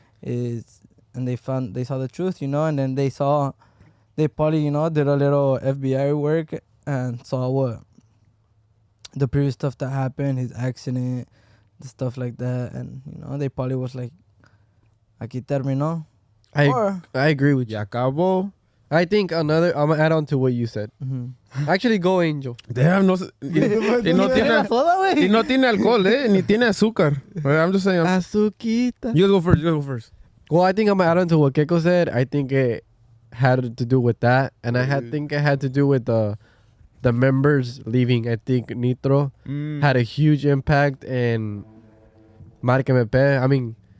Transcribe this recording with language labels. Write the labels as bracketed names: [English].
[English] And they saw the truth, you know? And then they probably, you know, did a little FBI work and saw what? The previous stuff that happened, his accident, the stuff like that, and you know, they probably was like, [Spanish] "Aquí terminó." [English] I agree with you. [Spanish] Acabó. [English] I think another. I'm gonna add on to what you said. Mm-hmm. Actually, go, Angel. Damn, no. [Spanish] y no tiene alcohol, ni tiene azúcar. [English] I'm just saying. [Spanish] Azuquita. [English] You go first. Well, I think I'm gonna add on to what Keiko said. I think it had to do with that, and I think it had to do with the members leaving. I think Nitro had a huge impact, and Marca Mepe, I mean.